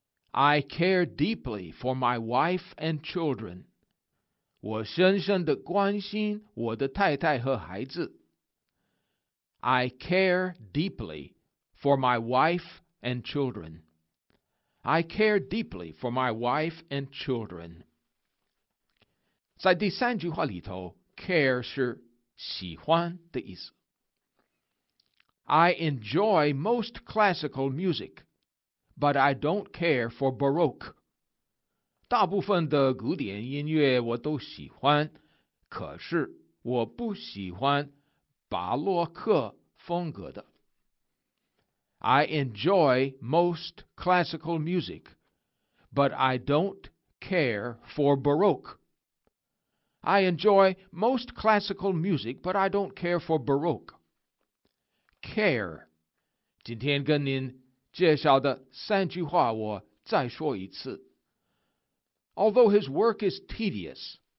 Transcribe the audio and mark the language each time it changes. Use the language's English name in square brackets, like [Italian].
[English] I care deeply for my wife and children. [Chinese] 我深深地关心我的太太和孩子。 [English] I care deeply for my wife and children. I care deeply for my wife and children. [Chinese] 在第三句话里头， care 是喜欢的意思。 [English] I enjoy most classical music, but I don't care for Baroque. [Chinese] 大部分的古典音乐我都喜欢，可是我不喜欢巴洛克风格的。 [English] I enjoy most classical music, but I don't care for Baroque. I enjoy most classical music, but I don't care for Baroque. [Chinese] Care. 今天跟您介绍的三句话我再说一次。 [English] Although his work is tedious,